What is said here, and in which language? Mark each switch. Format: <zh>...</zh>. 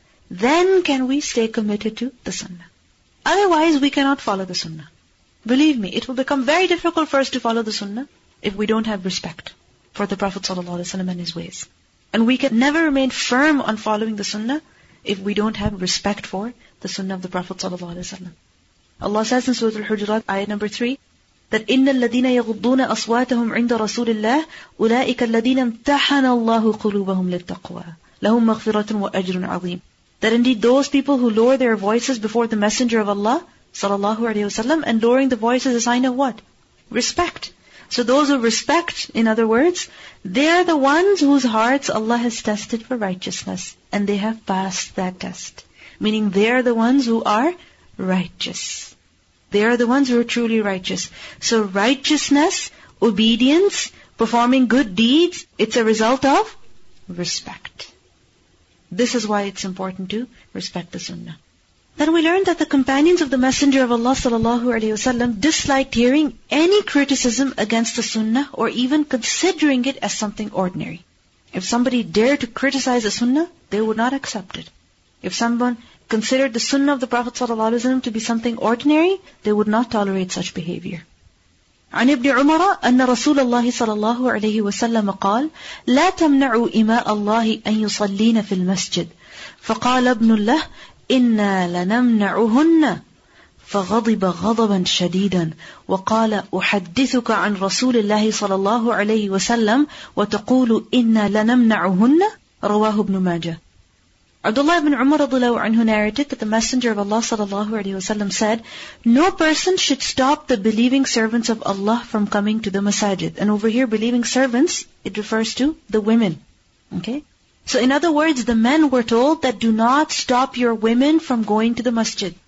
<en>Then can we stay committed to the sunnah. Otherwise, we cannot follow the sunnah. Believe me, it will become very difficult for us to follow the sunnah if we don't have respect for the Prophet ﷺ and his ways. And we can never remain firm on following the sunnah if we don't have respect for the sunnah of the Prophet ﷺ. Allah says in Surah Al-Hujurat, ayah number 3, that</en> <ar>إِنَّ الَّذِينَ يَغُضُّونَ أَصْوَاتَهُمْ عِنْدَ رَسُولِ اللَّهِ أُولَٰئِكَ الَّذِينَ امْتَحَنَ اللَّهُ قُلُوبَهُمْ لِلتَّقْوَىٰ لَهُمْ مَغْفِرَةٌ وَأَجْرٌ عَظِيمٌ.</ar> <en>That indeed those people who lower their voices before the Messenger of Allah sallallahu alayhi wa sallam, and lowering the voice is a sign of what? Respect. So those who respect, in other words, they are the ones whose hearts Allah has tested for righteousness, and they have passed that test. Meaning they are the ones who are righteous. They are the ones who are truly righteous. So righteousness, obedience, performing good deeds, it's a result of respect. This is why it's important to respect the sunnah. Then we learned that the companions of the Messenger of Allah sallallahu alayhi wasallam disliked hearing any criticism against the sunnah or even considering it as something ordinary. If somebody dared to criticize the sunnah, they would not accept it. If someone considered the sunnah of the Prophet sallallahu alayhi wasallam to be something ordinary, they would not tolerate such behavior.</en> <ar>عن ابن عمر أن رسول الله صلى الله عليه وسلم قال لا تمنعوا إماء الله أن يصلين في المسجد فقال ابن الله إنا لنمنعهن فغضب غضبا شديدا وقال أحدثك عن رسول الله صلى الله عليه وسلم وتقول إنا لنمنعهن رواه ابن ماجه.</ar> <en>Abdullah ibn Umar radiallahu anhu narrated that the Messenger of Allah sallallahu alayhi wa sallam said, no person should stop the believing servants of Allah from coming to the masajid. And over here, believing servants, it refers to the women. Okay? So in other words, the men were told that do not stop your women from going to the masjid.</en>